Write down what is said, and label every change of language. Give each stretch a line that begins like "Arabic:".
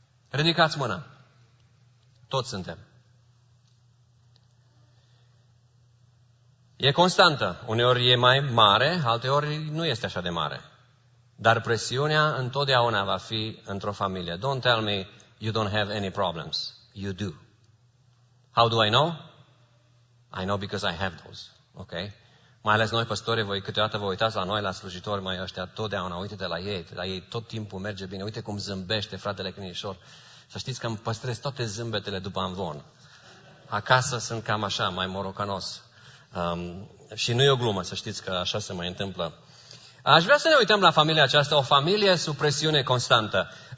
Romanian: Ridicați mâna. Toți suntem. E constantă. Uneori e mai mare, alteori nu este așa de mare. Dar presiunea întotdeauna va fi într-o familie.
English: Don't tell me you don't have any problems. You do. How do I know? I know because I have those. Ok?
Romanian: Mai ales noi, păstori, voi câteodată vă uitați la noi, la slujitori, mai ăștia totdeauna, uite-te la ei, la ei tot timpul merge bine, uite cum zâmbește fratele Crinișor. Să știți că îmi păstrez toate zâmbetele după amvon. Acasă sunt cam așa, mai morocanos. Și nu e o glumă, să știți că așa se mai întâmplă. Aș vrea să ne uităm la familia aceasta, o familie sub presiune constantă.